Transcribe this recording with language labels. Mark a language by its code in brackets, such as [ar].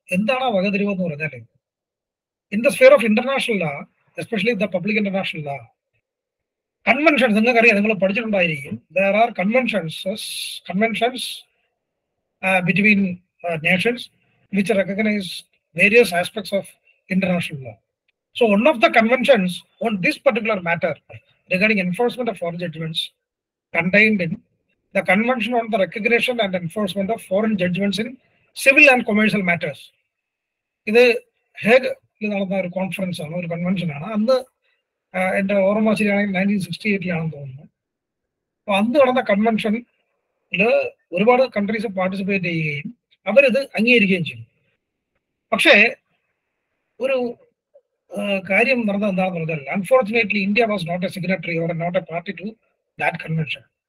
[ml] എന്താണ് ആ വകതിരിവ് എന്ന് പറഞ്ഞാൽ [en] in the sphere of international law especially the public international law convention [ml] നിങ്ങൾക്കറിയാം, നിങ്ങൾ പഠിച്ചിട്ടുണ്ടായിരിക്കും. [en] There are conventions between nations which recognise various aspects of international law. So one of the conventions on this particular matter regarding enforcement of foreign judgments contained in the convention on the recognition and enforcement of foreign judgments in civil and commercial matters. [ml] ഇത് Hague നടന്ന ഒരു conference ആണ്, ഒരു convention ആണ്. അന്ന് എൻ്റെ ഓർമ്മ ശരിയാണെങ്കിൽ 1968 തോന്നുന്നു. അപ്പോൾ അന്ന് നടന്ന കൺവെൻഷനിൽ ഒരുപാട് കൺട്രീസ് പാർട്ടിസിപ്പേറ്റ് ചെയ്യുകയും അവരിത് അംഗീകരിക്കുകയും ചെയ്യും. പക്ഷേ ഒരു കാര്യം നടന്നത് എന്താണെന്ന് പറഞ്ഞാൽ [en] Unfortunately India was not a signatory or not a party to that convention.